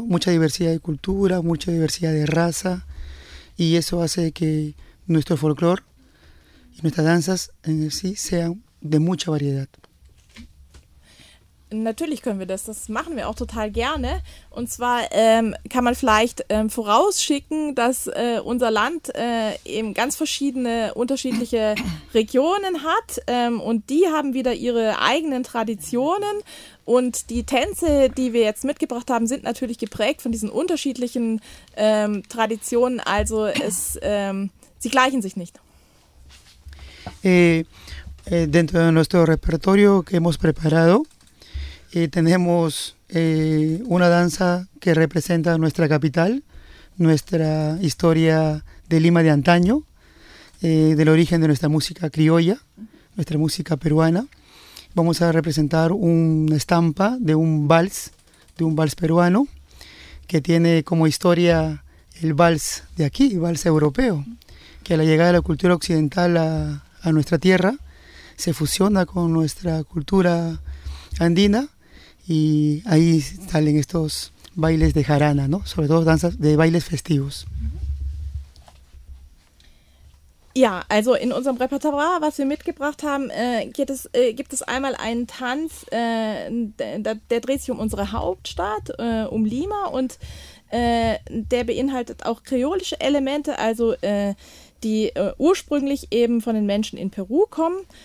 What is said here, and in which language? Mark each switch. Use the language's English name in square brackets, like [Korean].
[Spanish] Mucha diversidad de cultura, mucha diversidad de raza, y eso hace que nuestro folclore y nuestras danzas en sí sean de mucha variedad. [German] Natürlich können wir das, das machen wir auch total gerne. Und zwar kann man vielleicht vorausschicken, dass unser Land eben ganz verschiedene, unterschiedliche Regionen hat. Und die haben wieder ihre eigenen Traditionen. Und die Tänze, die wir jetzt mitgebracht haben, sind natürlich geprägt von diesen unterschiedlichen Traditionen. Also es, sie gleichen sich nicht. [Spanish] Dentro de nuestro repertorio que hemos preparado, tenemos una danza que representa nuestra capital, nuestra historia de Lima de antaño, del origen de nuestra música criolla, nuestra música peruana. Vamos a representar una estampa de un vals peruano, que tiene como historia el vals de aquí, el vals europeo, que a la llegada de la cultura occidental a nuestra tierra se fusiona con nuestra cultura andina. Y ahí salen estos bailes de jarana, ¿no? Sobre todo danzas de bailes festivos. [German] Ja, also in unserem Repertoire, was wir mitgebracht haben, gibt es einmal einen Tanz, der dreht sich um unsere Hauptstadt, um Lima, und der beinhaltet auch kreolische Elemente, also die ursprünglich eben von den Menschen in Peru kommen.